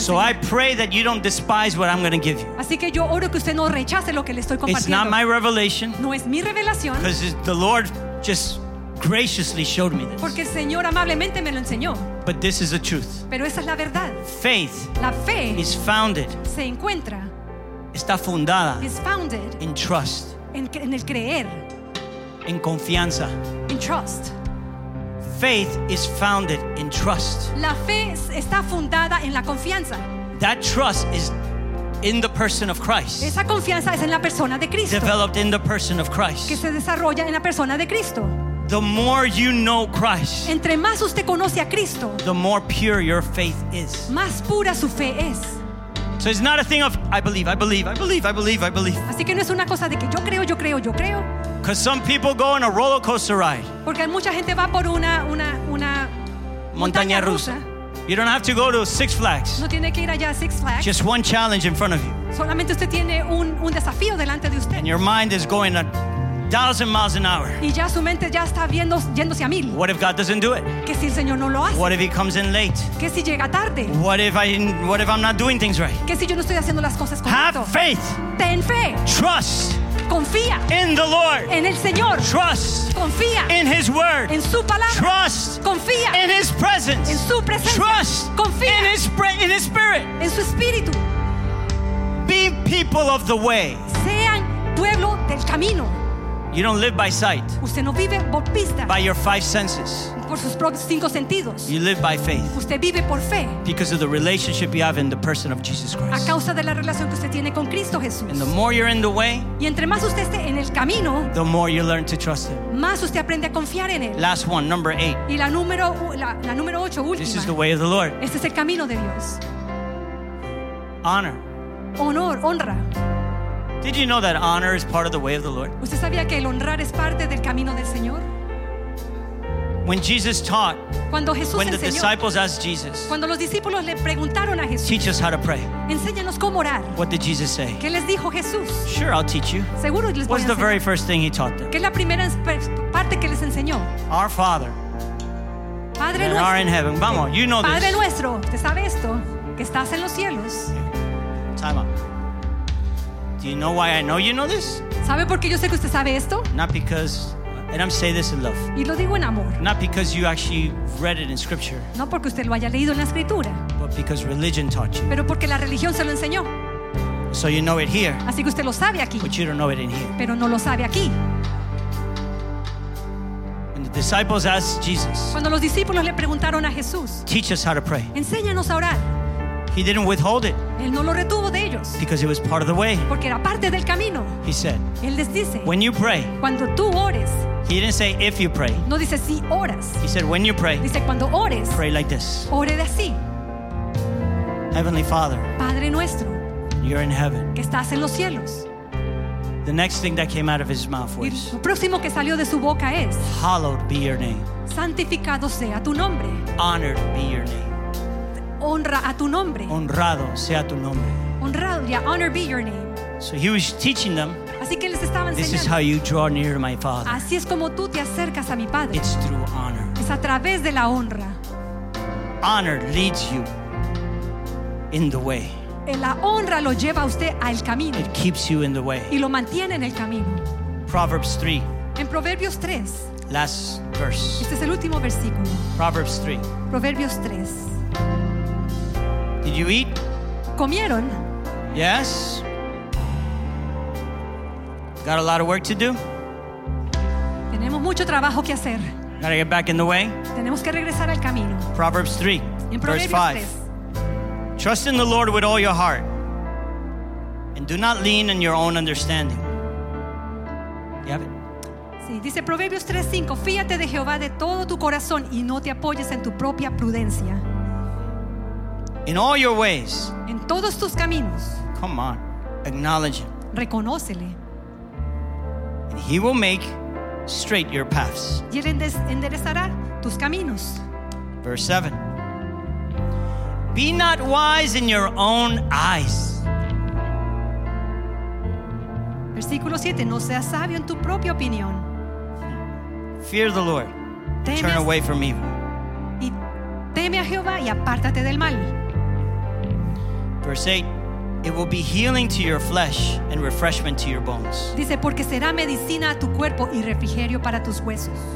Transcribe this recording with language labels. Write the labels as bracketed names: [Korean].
[Spanish] Señor. [English] So I pray that you don't despise what I'm going to give you. [Spanish] Así que yo oro que usted no rechace lo que le estoy compartiendo. [English] It's not my revelation. [Spanish] No es mi revelación. [English] Because the Lord just graciously showed me this. [Spanish] Porque el Señor amablemente me lo enseñó. [English] But this is the truth. [Spanish] Pero esa es la verdad. [English] Faith. [Spanish] La fe. [English] Is founded. [Spanish] Se encuentra. Está fundada. [English] Is founded. In trust. [Spanish] En el creer. In confianza. [English] In trust. Faith is founded in trust. [Spanish] La fe está fundada en la confianza. [English] That trust is in the person of Christ. [Spanish] Esa confianza es en la persona de Cristo. [English] Developed in the person of Christ. [Spanish] Que se desarrolla en la persona de Cristo. [English] The more you know Christ, [Spanish] entre más usted conoce a Cristo, [English] the more pure your faith is. [Spanish] Más pura su fe es. [English] So it's not a thing of I believe, I believe, I believe, I believe, I believe. [Spanish] Así que no es una cosa de que yo creo, yo creo, yo creo. [English] Because some people go on a roller coaster ride. [Spanish] Porque mucha gente va por una montaña rusa. [English] You don't have to go to Six Flags. [Spanish] No tiene que ir allá a Six Flags. [English] Just one challenge in front of you. [Spanish] Solamente usted tiene un desafío delante de usted. [English] And your mind is going a 1,000 miles an hour. [Spanish] Y ya su mente ya está viendo yéndose a mil. [English] What if God doesn't do it? [Spanish] ¿Qué si el Señor no lo hace? [English] What if He comes in late? [Spanish] ¿Qué si llega tarde? [English] What if I'm not doing things right? [Spanish] ¿Qué si yo no estoy haciendo las cosas correcto? [English] Have faith. [Spanish] Ten fe. [English] Trust. [Spanish] Confía. [English] In the Lord. [Spanish] En el Señor. [English] Trust. [Spanish] Confía. [English] In His word. [Spanish] En su palabra. [English] Trust. [Spanish] Confía. [English] In His presence. [Spanish] En su presencia. [English] Trust. [Spanish] Confía. [English] In his spirit. [Spanish] En su espíritu. [English] Be people of the way. [Spanish] Sean pueblo del camino. [English] You don't live by sight. [Spanish] Usted no vive por vista. [English] By your five senses. [Spanish] Por sus propios cinco sentidos. [English] You live by faith. [Spanish] Usted vive por fe. [English] Because of the relationship you have in the person of Jesus Christ. [Spanish] A causa de la relación que usted tiene con Cristo Jesús. [English] And the more you're in the way. [Spanish] Y entre más usted esté en el camino. [English] The more you learn to trust Him. [Spanish] Más usted aprende a confiar en él. [English] Last one, number eight. [Spanish] Y la número ocho, última. [English] This is the way of the Lord. [Spanish] Este es el camino de Dios. [English] Honor. [Spanish] Honor, honra. [English] Did you know that honor is part of the way of the Lord? [Spanish] ¿Usted sabía que el honrar es parte del camino del Señor? [English] When Jesus taught, [Spanish] cuando Jesús [English] when the [Spanish] enseñó, [English] disciples asked Jesus, [Spanish] cuando los discípulos le preguntaron a Jesús, [English] teach us how to pray. [Spanish] Enséñanos cómo orar. [English] What did Jesus say? [Spanish] ¿Qué les dijo Jesús? [English] Sure, I'll teach you. [Spanish] Seguro les voy a [English] enseñar. What's the very first thing He taught them? [Spanish] ¿Qué es la primera parte que les enseñó? [English] Our Father, [Spanish] Padre [English] that [Spanish] nuestro, [English] are in heaven. [Spanish] Vamos, [English] you know [Spanish] Padre [English] this. [Spanish] Padre nuestro, ¿te sabe esto? Que estás en los cielos. [English] Time out. Do you know why I know you know this? [Spanish] ¿Sabe por qué yo sé que usted sabe esto? [English] Not because, and I'm saying this in love. [Spanish] Y lo digo en amor. [English] Not because you actually read it in scripture. [Spanish] No porque usted lo haya leído en la escritura. [English] But because religion taught you. [Spanish] Pero porque la religión se lo enseñó. [English] So you know it here. [Spanish] Así que usted lo sabe aquí. [English] But you don't know it in here. [Spanish] Pero no lo sabe aquí. [English] When the disciples asked Jesus. [Spanish] Cuando los discípulos le preguntaron a Jesús. [English] Teach us how to pray. [Spanish] Enséñanos a orar. [English] He didn't withhold it. [Spanish] Él no lo retuvo de ellos. [English] Because it was part of the way. [Spanish] Porque era parte del camino. [English] He said. [Spanish] Él les dice. [English] When you pray. [Spanish] Cuando tú ores. [English] He didn't say if you pray. [Spanish] No dice si oras. [English] He said when you pray. [Spanish] Dice cuando ores. [English] Pray like this. [Spanish] Ore de así. [English] Heavenly Father. [Spanish] Padre nuestro. [English] You're in heaven. [Spanish] Que estás en los cielos. [English] The next thing that came out of his mouth was. [Spanish] Y lo próximo que salió de su boca es. [English] Hallowed be your name. [Spanish] Santificado sea tu nombre. [English] Honored be your name. [Spanish] Honra a tu nombre. Honrado sea tu nombre. Honrado, [English] yeah, honor be your name. So he was teaching them. [Spanish] Así que les estaba enseñando. [English] This is how you draw near to my Father. [Spanish] Así es como tú te acercas a mi Padre. [English] It's through honor. [Spanish] Es a través de la honra. [English] Honor leads you in the way. [Spanish] La honra lo lleva a usted al camino. [English] It keeps you in the way. [Spanish] Y lo mantiene en el camino. [English] Proverbs 3. [Spanish] En Proverbios 3. [English] Last verse. [Spanish] Este es el último versículo. [English] Proverbs 3. [Spanish] Proverbios 3. [English] Did you eat? [Spanish] Comieron. [English] Yes. Got a lot of work to do. [Spanish] Tenemos mucho trabajo que hacer. [English] Got to get back in the way. [Spanish] Tenemos que regresar al camino. [English] Proverbs 3, [Spanish] en [English] verse 5. 3. Trust in the Lord with all your heart and do not lean on your own understanding. You have it? [Spanish] Sí, dice Proverbios 3:5. Fíate de Jehová de todo tu corazón y no te apoyes en tu propia prudencia. [English] In all your ways. [Spanish] En todos tus caminos. [English] Come on. Acknowledge Him. [Spanish] Reconócele. [English] And He will make straight your paths. [Spanish] Y Él enderezará tus caminos. [English] Verse 7. Be not wise in your own eyes. [Spanish] Versículo 7, no seas sabio en tu propia opinión. [English] Fear the Lord. Turn away from evil. [Spanish] Y teme a Jehová y apártate del mal. [English] Verse 8, it will be healing to your flesh and refreshment to your bones. [Spanish] Dice, porque será medicina a tu cuerpo y refrigerio para tus huesos.